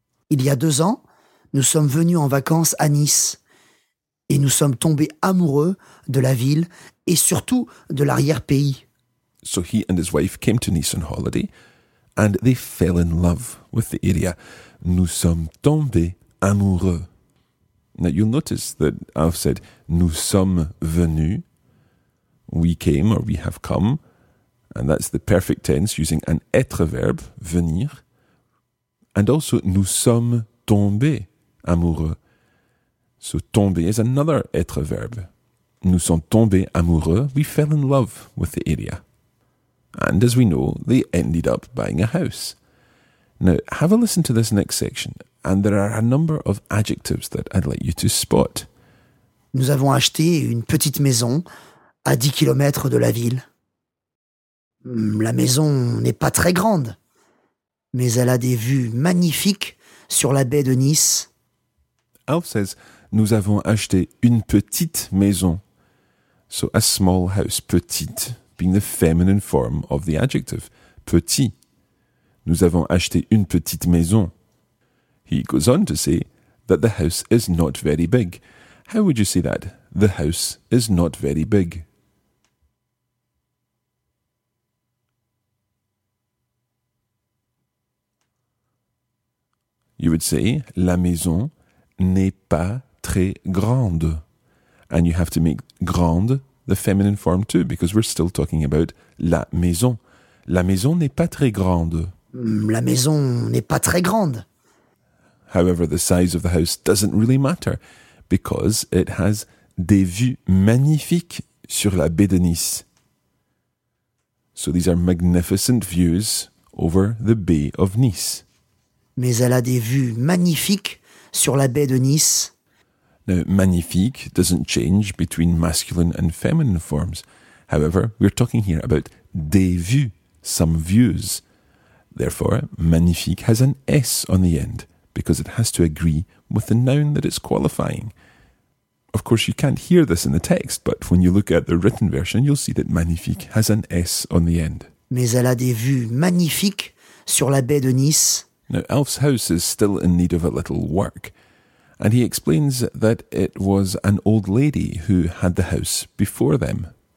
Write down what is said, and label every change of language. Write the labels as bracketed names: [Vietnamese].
[French] Il y a deux ans, nous sommes venus en vacances à Nice. Et nous sommes tombés amoureux de la ville et surtout de l'arrière-pays. [English] So he and his wife came to Nice on holiday and they fell in love with the area. [French] Nous sommes tombés amoureux. [English] Now you'll notice that Alf said, [French] nous sommes venus. [English] We came or we have come. And that's the perfect tense using an être verb, venir. And also, [French] nous sommes tombés amoureux. [English] So tomber is another être verb. [French] Nous sommes tombés amoureux. [English] We fell in love with the area. And as we know, they ended up buying a house. Now, have a listen to this next section. And there are a number of adjectives that I'd like you to spot. [French] Nous avons acheté une petite maison à 10 kilomètres de la ville. La maison n'est pas très grande, mais elle a des vues magnifiques sur la baie de Nice. [English] Alf says, [French] nous avons acheté une petite maison. [English] So a small house, petite, being the feminine form of the adjective, petit. [French] Nous avons acheté une petite maison. [English] He goes on to say that the house is not very big. How would you say that? The house is not very big. You would say, [French] la maison n'est pas très grande. [English] And you have to make grande the feminine form too, because we're still talking about la maison. [French] La maison n'est pas très grande. La maison n'est pas très grande. [English] However, the size of the house doesn't really matter, because it has [French] des vues magnifiques sur la baie de Nice. [English] So these are magnificent views over the Bay of Nice. [French] Mais elle a des vues magnifiques sur la baie de Nice. [English] Now, magnifique doesn't change between masculine and feminine forms. However, we're talking here about [French] des vues, [English] some views. Therefore, magnifique has an S on the end because it has to agree with the noun that it's qualifying. Of course, you can't hear this in the text, but when you look at the written version, you'll see that magnifique has an S on the end. [French] Mais elle a des vues magnifiques sur la baie de Nice. [English] Now, Alf's house is still in need of a little work, and he explains that it was an old lady who had the house before them.